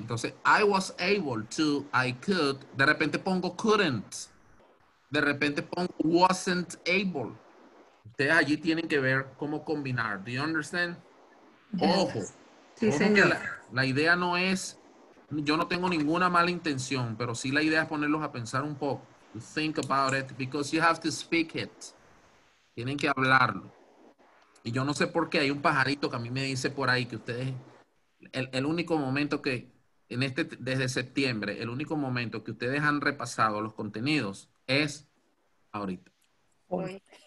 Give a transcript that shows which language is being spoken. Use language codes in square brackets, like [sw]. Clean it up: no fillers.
[es] Entonces, [en] I was able to, I could, [es] de repente pongo [en] couldn't. [es] De repente pongo [en] wasn't able. [es] Ustedes allí tienen que ver cómo combinar. [en] Do you understand? [es] Ojo. Sí, señor. La idea no es, yo no tengo ninguna mala intención, pero sí la idea es ponerlos a pensar un poco. [en] Think about it, because you have to speak it. [es] Tienen que hablarlo. Y yo no sé por qué hay un pajarito que a mí me dice por ahí que ustedes, el único momento que, en este, desde septiembre, el único momento que ustedes han repasado los contenidos es ahorita. Hoy.